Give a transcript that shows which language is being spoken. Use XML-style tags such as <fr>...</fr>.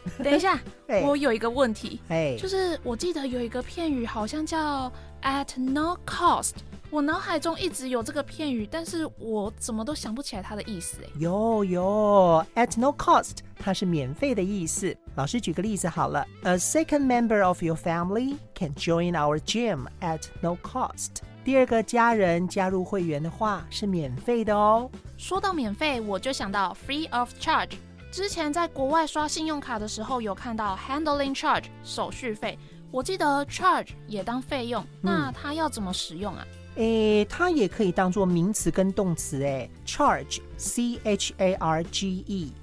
<zh>等一下我有一个问题、哎、就是我记得有一个片语好像叫 At no cost，我脑海中一直有这个片语，但是我怎么都想不起来它的意思。有 at no cost 它是免费的意思。老师举个例子好了，</zh> <en>A second member of your family can join our gym at no cost，</en> <zh>第二个家人加入会员的话是免费的哦。说到免费，我就想到 free of charge， 之前在国外刷信用卡的时候有看到 handling charge 手续费，我记得 charge 也当费用，那它要怎么使用啊？它也可以当作名词跟动词。 charge C-H-A-R-G-E</zh>